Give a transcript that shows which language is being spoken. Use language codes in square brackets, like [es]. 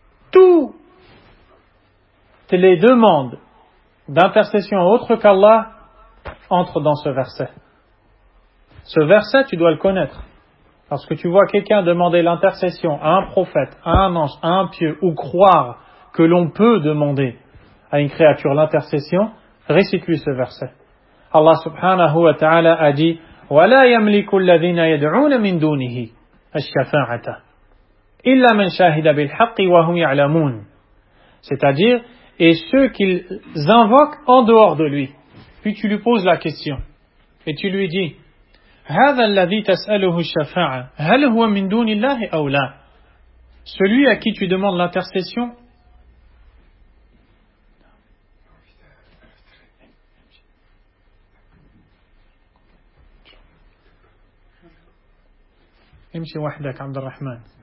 [fr] Toutes les demandes d'intercession autre qu'Allah entrent dans ce verset. Ce verset, tu dois le connaître. Lorsque tu vois quelqu'un demander l'intercession à un prophète, à un ange, à un pieu, ou croire que l'on peut demander à une créature l'intercession, récite-lui ce verset. Allah subhanahu wa ta'ala a dit, [ar] وَلَا يَمْلِكُ الَّذِينَ يَدْعُونَ مِنْ دُونِهِ الشَّفَاعَةَ إِلَّا مَنْ شَاهِدَ بِالْحَقِّ وَهُمْ يَعْلَمُونَ. [fr] C'est-à-dire, et ceux qu'ils invoquent en dehors de lui. Puis tu lui poses la question, et tu lui dis, [ar] هذا الذي تسأله الشفاعة هل هو من دون الله أو لا؟ [fr] Celui à qui tu demandes l'intercession, [ar] امشي وحدك عبد الرحمن.